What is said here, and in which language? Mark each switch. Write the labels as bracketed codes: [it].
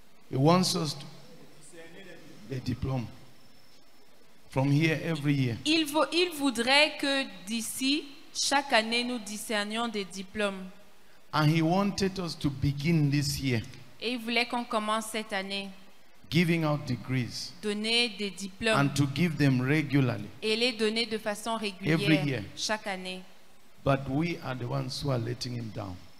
[en] He wants us to the diploma from here every year. [fr] Il voudrait que d'ici chaque année nous discernions des diplômes. [en] And he wanted us to begin this year. [fr] Et il voulait qu'on commence cette année. [en] Giving out degrees. [fr] Donner des diplômes. [en] And to give them regularly. [fr] Et les donner de façon régulière. [en] Every year. [fr] Chaque année. [en] But we are the ones who are letting him down.